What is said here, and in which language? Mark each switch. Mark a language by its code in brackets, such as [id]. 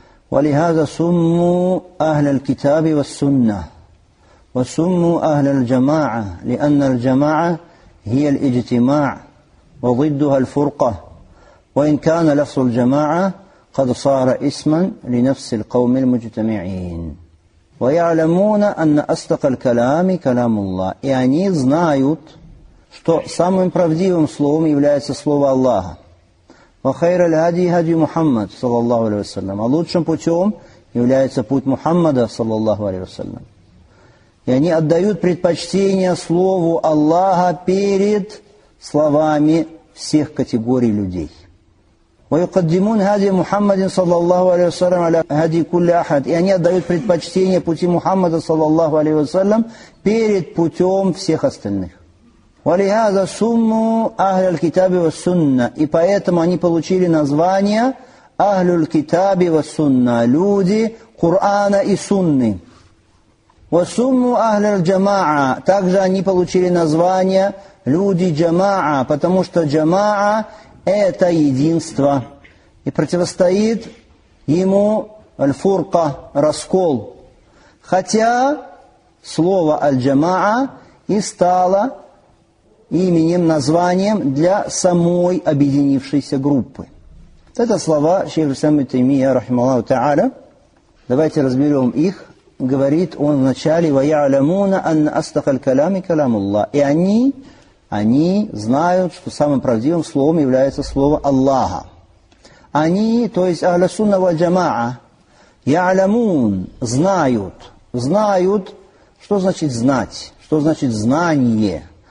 [ar] ولهذا سموا أهل الكتاب والسنة، وسموا أهل الجماعة، لأن الجماعة هي الاجتماع وضدها الفرقة، وإن كان لفظ الجماعة قد صار اسما لنفس القوم المجتمعين. ويعلمون أن أصدق الكلام كلام الله، يعني [ru] знают, что самым правдивым словом является слово Аллаха. [ar] وخير الهدي هدي محمد صلى الله عليه وسلم. [ru] А лучшим путем является путь Мухаммада صلى الله عليه وسلم. И они отдают предпочтение слову Аллаха перед словами всех категорий людей. [ar] ويقدمون هدي محمد صلى الله عليه وسلم على هدي كل أحد. [ru] И они отдают предпочтение пути Мухаммада صلى الله عليه وسلم перед путем всех остальных. [ar] ولهذا سموا أهل الكتاب والسنة. [ru] И поэтому они получили название أهل الكتاب والسنة. Люди Корана и Сунны. [ar] وسموا أهل الجماعة. [ru] Также они получили название люди Джамаа. Потому что Джамаа — это единство. И противостоит ему Аль-Фурка, раскол. Хотя слово Аль-Джамаа и стало именем, названием для самой объединившейся группы. Это слова шейх Ислам ибн Таймия рахимаху тааля. Давайте разберем их. Говорит он в начале: [ar] ويعلمون أن أصدق الكلام كلام الله. [ru] И они знают, что самым правдивым словом является слово Аллаха. Они, то есть Ахля Сунна валь Джамаа, يعلمون, знают. Знают, что значит знать? Что значит знание?